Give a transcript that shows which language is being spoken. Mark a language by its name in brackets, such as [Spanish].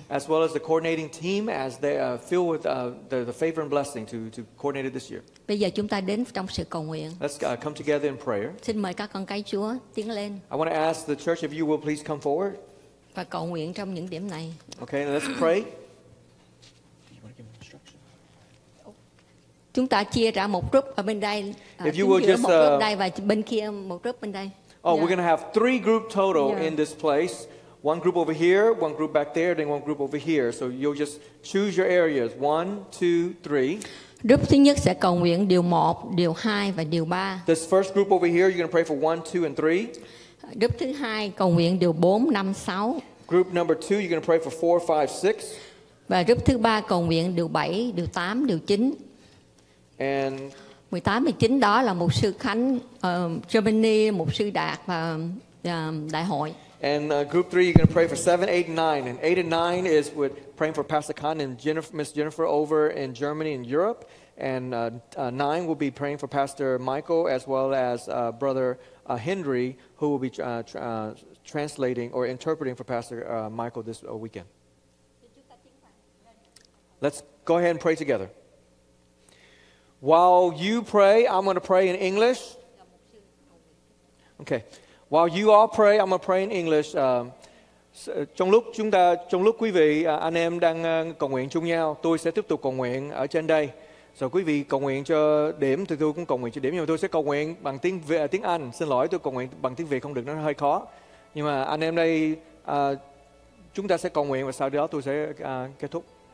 [English] As well as the coordinating team as they are filled with the favor and blessing to coordinate it this year. [Vietnamese] Bây giờ chúng ta đến trong sự cầu nguyện. [English] Let's come together in prayer. [Vietnamese] Xin mời các con cái Chúa tiến lên. [English] I want to ask the church if you will please come forward. [Vietnamese] Và cầu nguyện trong những điểm này. [English] Okay, let's pray. [Vietnamese] Chúng ta chia ra một group ở bên đây. [English] If you will just [Vietnamese] đây và bên kia một group bên đây. [English] Oh, yeah. We're going to have three groups total yeah. in this place. One group over here, one group back there, then one group over here. So you'll just choose your areas. One, two, three. [Vietnamese] Group thứ nhất sẽ cầu nguyện điều một, điều hai và điều ba. [English] This first group over here, you're going to pray for one, two, and three. [Vietnamese] Group thứ hai cầu nguyện điều bốn, năm, sáu. [English] Group number two, you're going to pray for four, five, six. [Vietnamese] Và group thứ ba cầu nguyện điều bảy, điều tám, điều chín. [English] And [Vietnamese] 18, 19 đó là mục sư Khánh, Germany, mục sư Đạt và đại hội. [English] And group 3 you're going to pray for 7, 8 and 9 and 8 and 9 is with praying for Pastor Khan and Jennifer, Miss Jennifer over in Germany and Europe and 9 will be praying for Pastor Michael as well as brother Henry who will be translating or interpreting for Pastor Michael this weekend. Let's go ahead and pray together. While you pray, I'm going to pray in English. Okay. While you all pray, I'm going to pray in English. [Vietnamese] Trong lúc quý vị anh em đang cầu nguyện chung nhau, tôi sẽ tiếp tục cầu nguyện ở trên đây. Rồi quý vị cầu nguyện cho điểm thì tôi cũng cầu nguyện cho điểm, nhưng mà tôi sẽ cầu nguyện bằng tiếng Việt, tiếng Anh. Xin lỗi, tôi cầu nguyện bằng tiếng Việt không được, nó hơi khó. Nhưng mà anh em đây chúng ta sẽ cầu nguyện và sau đó tôi sẽ kết thúc.